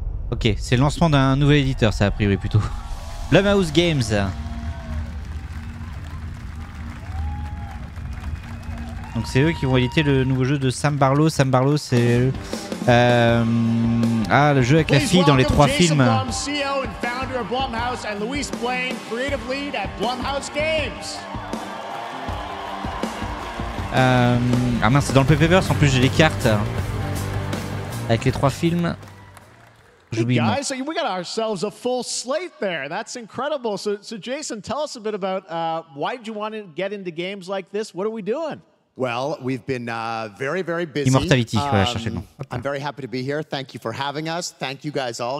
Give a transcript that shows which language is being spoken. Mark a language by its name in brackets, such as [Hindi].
[French] Ok, c'est le lancement d'un nouvel éditeur, ça a priori plutôt. Blumhouse Games. Donc c'est eux qui vont éditer le nouveau jeu de Sam Barlow. Sam Barlow, c'est le jeu avec la fille dans les trois films. [English] CEO and founder of Blumhouse and Louise Blaine, creative lead at Blumhouse Games. [French] Ah mince, c'est dans le Pepperverse. En plus, j'ai les cartes avec les trois films. [English] Guys, so we got ourselves a full slate there. That's incredible. So Jason, tell us a bit about why did you want to get into games like this? What are we doing? Well, we've been very, very busy. Immortality. I'm very happy to be here. Thank you for having us. Thank you guys all.